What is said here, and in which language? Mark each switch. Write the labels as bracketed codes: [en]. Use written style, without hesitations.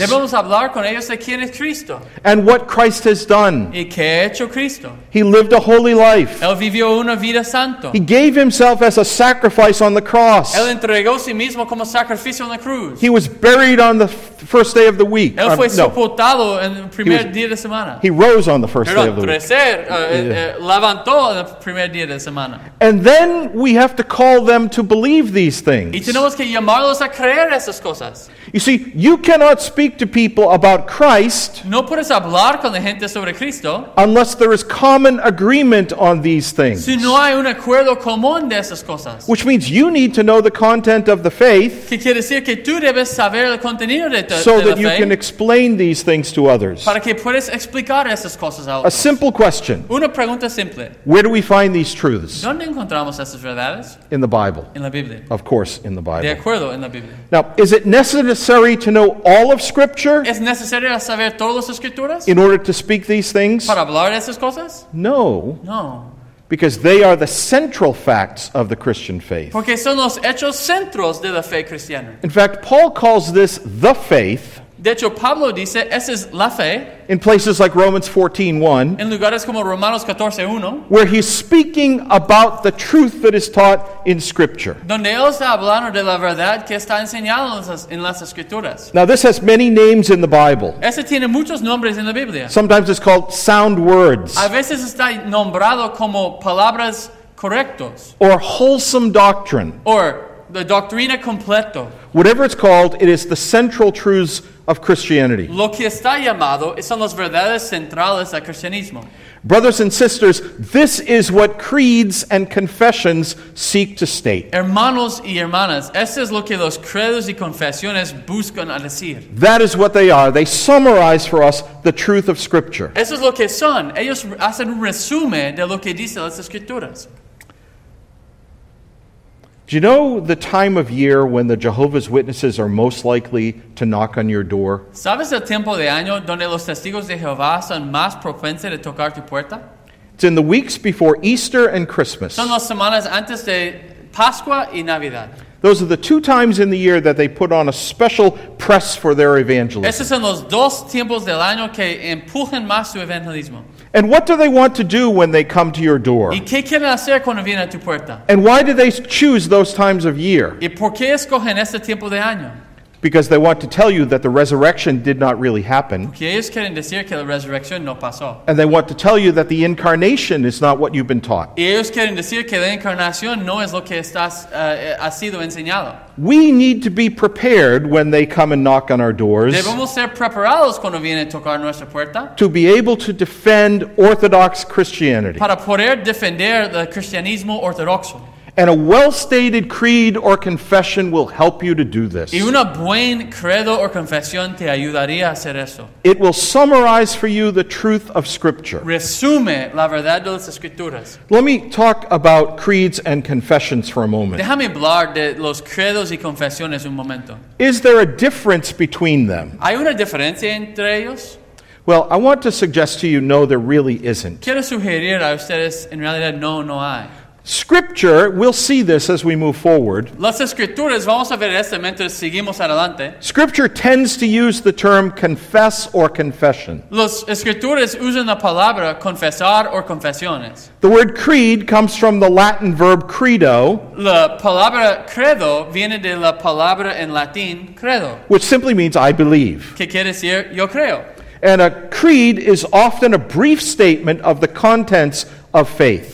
[es] Debemos hablar con ellos de quién es Cristo. [en] And what Christ has done. [es] Y qué ha hecho Cristo. [en] He lived a holy life. [es] Él vivió una vida santa. [en] He gave himself as a sacrifice on the cross. [es] Él entregó sí mismo como sacrificio en la cruz. [en] He was buried on the first day of the week. [es] Él fue sepultado en el primer día de semana. [en] He rose on the first day of the week. [es] Levantó en el primer día de semana. [en] And then we have to call them to believe these things. [es] Y tenemos que llamarlos a creer esas cosas. [en] You see, you cannot speak to people about Christ. [es] No puedes hablar con la gente sobre Cristo. [en] Unless there is common agreement on these things. [es] Si no hay un acuerdo común de esas cosas. [en] Which means you need to know the content of the faith. [es] Que quiere decir que tú debes saber el contenido de la fe. [en] So that you can explain these things to others. [es] Para que puedas explicar esas cosas a otros. [en] A simple question. [es] Una pregunta simple. [en] Where do we find these truths? [es] ¿Dónde encontramos esas verdades? [en] In the Bible. [es] En la Biblia. [en] Of course, in the Bible. [es] De acuerdo, en la Biblia. [en] Now, is it necessary to know all of Scripture? [es] ¿Es necesario saber todas las escrituras? [en] In order to speak these things? [es] Para hablar de esas cosas? [en] No. [es] No. [en] Because they are the central facts of the Christian faith. [es] Porque son los hechos centros de la fe cristiana. [en] In fact, Paul calls this the faith. [es] De hecho, Pablo dice, esa es la fe. [en] In places like Romans 14:1. [es] En lugares como Romanos 14:1. [en] Where he's speaking about the truth that is taught in Scripture. [es] Donde él está hablando de la verdad que está enseñando en las Escrituras. [en] Now this has many names in the Bible. [es] Ese tiene muchos nombres en la Biblia. [en] Sometimes it's called sound words. [es] A veces está nombrado como palabras correctos. [en] Or wholesome doctrine. Or the [es] doctrina completo. [en] Whatever it's called, it is the central truths of Christianity. [es] Lo que está llamado son las verdades centrales del cristianismo. [en] Brothers and sisters, this is what creeds and confessions seek to state. [es] Hermanos y hermanas, esto es lo que los credos y confesiones buscan a decir. [en] That is what they are. They summarize for us the truth of Scripture. [es] Eso es lo que son. Ellos hacen un resumen de lo que dicen las Escrituras. [en] Do you know the time of year when the Jehovah's Witnesses are most likely to knock on your door? [es] ¿Sabes el tiempo de año donde los testigos de Jehová son más propensos de tocar tu puerta? [en] It's in the weeks before Easter and Christmas. [es] Son las semanas antes de Pascua y Navidad. [en] Those are the two times in the year that they put on a special press for their evangelism. [es] Esos son los dos tiempos del año que empujan más su evangelismo. [en] And what do they want to do when they come to your door? [es] ¿Y qué quieren hacer cuando vienen a tu puerta? [en] And why do they choose those times of year? [es] ¿Y por qué escogen ese tiempo de año? [en] Because they want to tell you that the resurrection did not really happen. [es] Porque ellos quieren decir que la resurrección no pasó. [en] And they want to tell you that the incarnation is not what you've been taught. [es] Y ellos quieren decir que la encarnación no es lo que estás, ha sido enseñado. [en] We need to be prepared when they come and knock on our doors. [es] Debemos ser preparados cuando vienen a tocar nuestra puerta. [en] To be able to defend Orthodox Christianity. [es] Para poder defender el cristianismo ortodoxo. [en] And a well-stated creed or confession will help you to do this. [es] Y una buen credo o confesión te ayudaría a hacer eso. [en] It will summarize for you the truth of Scripture. [es] Resume la verdad de las Escrituras. [en] Let me talk about creeds and confessions for a moment. [es] Déjame hablar de los credos y confesiones un momento. [en] Is there a difference between them? [es] ¿Hay una diferencia entre ellos? [en] Well, I want to suggest to you, no, there really isn't. [es] Quiero sugerir a ustedes, en realidad, no, no hay. [en] Scripture, we'll see this as we move forward. [es] Las escrituras, vamos a ver esto mientras seguimos adelante. [en] Scripture tends to use the term confess or confession. [es] Las escrituras usan la palabra confesar o confesiones. [en] The word creed comes from the Latin verb credo. [es] La palabra credo viene de la palabra en latín credo. [en] Which simply means I believe. [es] ¿Qué quiere decir? Yo creo. [en] And a creed is often a brief statement of the contents of faith.